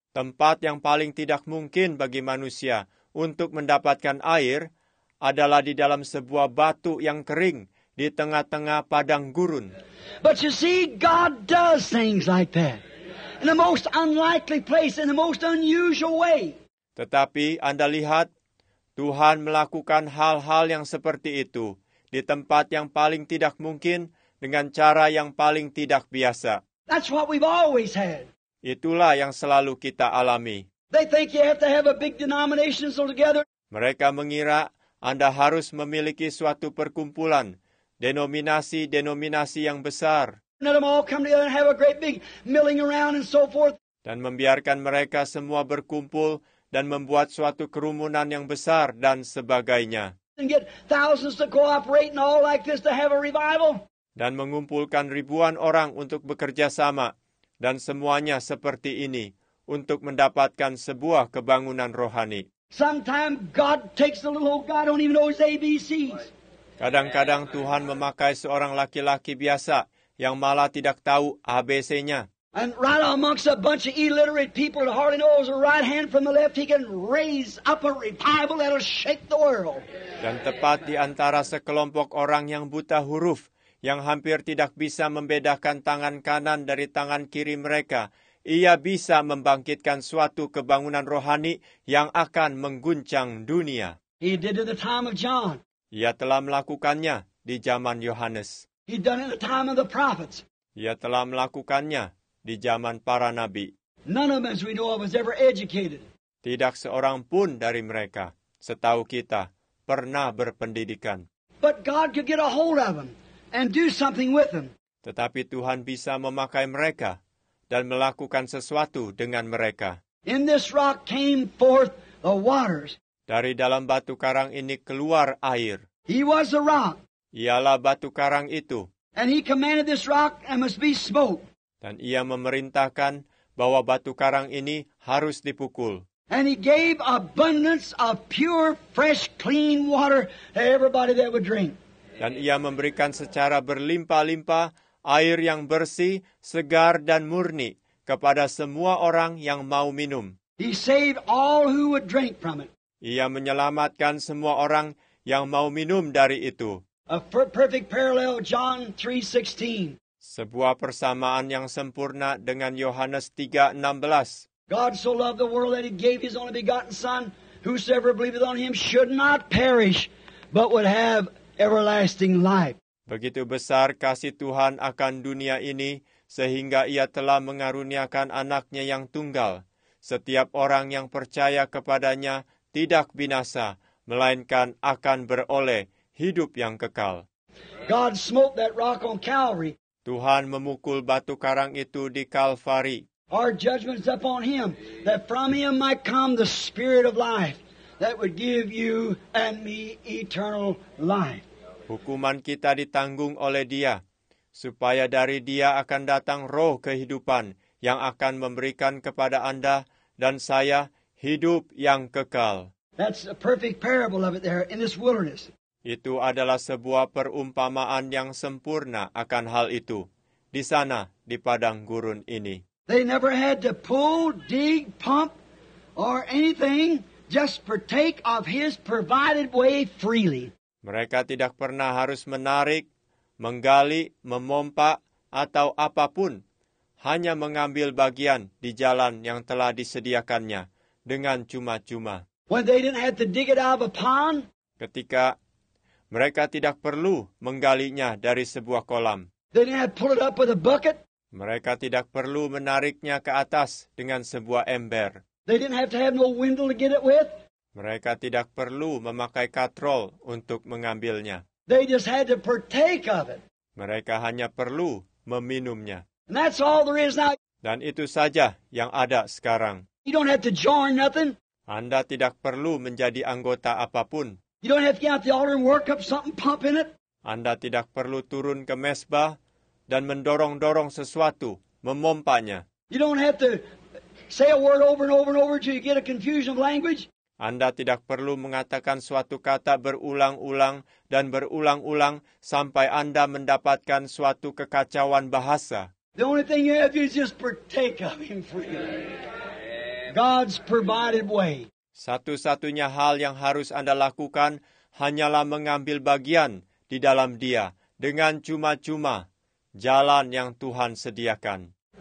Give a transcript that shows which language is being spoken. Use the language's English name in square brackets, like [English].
[Indonesian] Tempat yang paling tidak mungkin bagi manusia untuk mendapatkan air adalah di dalam sebuah batu yang kering di tengah-tengah padang gurun. [English] But you see, God does things like that. In the most unlikely place, in the most unusual way. [Indonesian] Tetapi Anda lihat, Tuhan melakukan hal-hal yang seperti itu di tempat yang paling tidak mungkin dengan cara yang paling tidak biasa. [English] That's what we've always had. [Indonesian] Itulah yang selalu kita alami. [English] They think you have to have a big denomination altogether. [Indonesian] Mereka mengira Anda harus memiliki suatu perkumpulan, denominasi-denominasi yang besar. [English] Let them all come together and have a great big milling around and so forth. [Indonesian] Dan membiarkan mereka semua berkumpul dan membuat suatu kerumunan yang besar dan sebagainya. [English] And get thousands to cooperate and all like this to have a revival. [Indonesian] Dan mengumpulkan ribuan orang untuk bekerja sama dan semuanya seperti ini untuk mendapatkan sebuah kebangunan rohani. [English] Sometimes God takes a little old guy, don't even know his ABCs. [Indonesian] Kadang-kadang Tuhan memakai seorang laki-laki biasa yang malah tidak tahu ABC-nya. [English] And right amongst a bunch of illiterate people who hardly know his right hand from the left, he can raise up a revival that'll shake the world. [Indonesian] Dan tepat di antara sekelompok orang yang buta huruf, yang hampir tidak bisa membedakan tangan kanan dari tangan kiri mereka, ia bisa membangkitkan suatu kebangunan rohani yang akan mengguncang dunia. [English] He did it in the time of John. [Indonesian] Ia telah melakukannya di zaman Yohanes. [English] He done it in the time of the prophets. [Indonesian] Ia telah melakukannya di zaman para nabi. [English] None of them, as we know of, was ever educated. [Indonesian] Tidak seorang pun dari mereka, setahu kita, pernah berpendidikan. [English] But God could get a hold of them. And do something with them. [Indonesian] Tetapi Tuhan bisa memakai mereka dan melakukan sesuatu dengan mereka. [English] In this rock came forth the waters. [Indonesian] Dari dalam batu karang ini keluar air. [English] He was the rock. [Indonesian] Ialah batu karang itu. [English] And he commanded this rock and must be smote. [Indonesian] Dan ia memerintahkan bahwa batu karang ini harus dipukul. [English] And he gave abundance of pure, fresh, clean water to everybody that would drink. [Indonesian] Dan ia memberikan secara berlimpah-limpah air yang bersih, segar, dan murni kepada semua orang yang mau minum. [English] He saved all who would drink from it. [Indonesian] Ia menyelamatkan semua orang yang mau minum dari itu. [English] A perfect parallel, John 3:16. [Indonesian] Sebuah persamaan yang sempurna dengan Yohanes 3:16. [English] God so loved the world that he gave his only begotten son, whosoever believeth on him should not perish, but would have everlasting life. [Indonesian] Begitu besar kasih Tuhan akan dunia ini sehingga Ia telah mengaruniakan anaknya yang tunggal. Setiap orang yang percaya kepadanya tidak binasa, melainkan akan beroleh hidup yang kekal. [English] God smote that rock on Calvary. [Indonesian] Tuhan memukul batu karang itu di Kalvari. [English] Our judgment is upon him, that from him might come the spirit of life, that would give you and me eternal life. [Indonesian] Hukuman kita ditanggung oleh dia, supaya dari dia akan datang roh kehidupan yang akan memberikan kepada Anda dan saya hidup yang kekal. [English] That's a perfect parable of it there in this wilderness. [Indonesian] Itu adalah sebuah perumpamaan yang sempurna akan hal itu di sana, di padang gurun ini. [English] They never had to pull, dig, pump, or anything, just partake of his provided way freely. [Indonesian] Mereka tidak pernah harus menarik, menggali, memompa, atau apapun. Hanya mengambil bagian di jalan yang telah disediakannya dengan cuma-cuma. [English] When they didn't have to dig it out of a pond, [Indonesian] ketika mereka tidak perlu menggalinya dari sebuah kolam. [English] They didn't have to pull it up with a bucket. [Indonesian] Mereka tidak perlu menariknya ke atas dengan sebuah ember. [English] They didn't have to have no windle to get it with. [Indonesian] Mereka tidak perlu memakai katrol untuk mengambilnya. [English] They just had to partake of it. [Indonesian] Mereka hanya perlu meminumnya. [English] And that's all there is now. [Indonesian] Dan itu saja yang ada sekarang. [English] You don't have to join nothing. [Indonesian] Anda tidak perlu menjadi anggota apapun. [English] You don't have to get out the altar and work up something pumping it. [Indonesian] Anda tidak perlu turun ke mesbah dan mendorong-dorong sesuatu, memompanya. [English] You don't have to say a word over and over and over until you get a confusion of language. [Indonesian] Anda tidak perlu mengatakan suatu kata berulang-ulang dan berulang-ulang sampai Anda mendapatkan suatu kekacauan bahasa. [English] The only thing you have to do is just partake of him freely. God's provided way. [Indonesian] Satu-satunya hal yang harus Anda lakukan hanyalah mengambil bagian di dalam dia dengan cuma-cuma jalan yang Tuhan sediakan.